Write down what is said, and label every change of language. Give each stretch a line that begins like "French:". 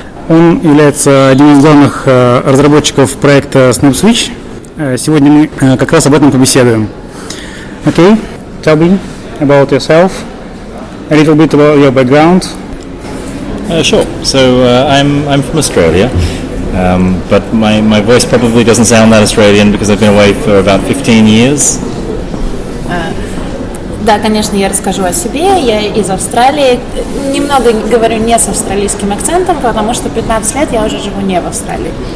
Russian: Он является одним из главных разработчиков проекта SnapSwitch. Сегодня мы как раз об этом побеседуем.
English: Okay, tell me about yourself, a little bit about your background. I'm from Australia, but my voice probably doesn't sound that Australian because I've been away for about 15 years.
Russian: Да, конечно, я расскажу о себе. Я из Австралии. Немного говорю не с австралийским акцентом, потому что 15 лет я уже живу не в Австралии.